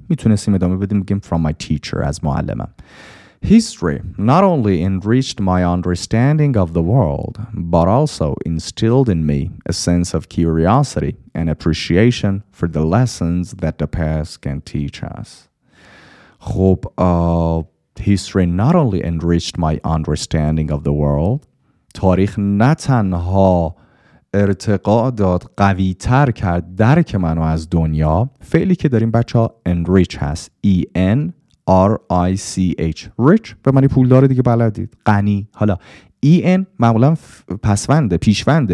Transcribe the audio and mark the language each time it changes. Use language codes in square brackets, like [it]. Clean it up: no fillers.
[fa] میتونستیم ادامه بدیم بگیم [en] from my teacher [fa] از معلمم. [en] History not only enriched my understanding of the world but also instilled in me a sense of curiosity and appreciation for the lessons that the past can teach us. [fa] خب [en] history not only enriched my understanding of the world. [fa] تاریخ نه تنها ارتقا داد، قوی تر کرد درک منو از دنیا. فعلی که داریم بچه ها enrich هست، E-N-R-I-C-H. rich به معنی پول داره دیگه، بلدید، غنی. حالا E-N معمولا پسونده، پیشونده.